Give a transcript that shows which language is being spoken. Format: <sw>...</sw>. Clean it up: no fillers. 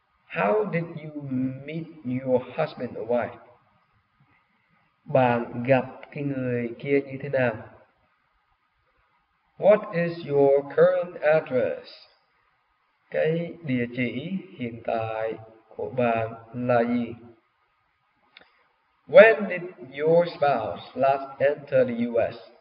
<en>How did you meet your husband or wife?</en> <vi>Bạn gặp cái người kia như thế nào?</vi> <en>What is your current address?</en> <vi>Cái địa chỉ hiện tại của bạn là gì?</vi> <en>When did your spouse last enter the US?</en>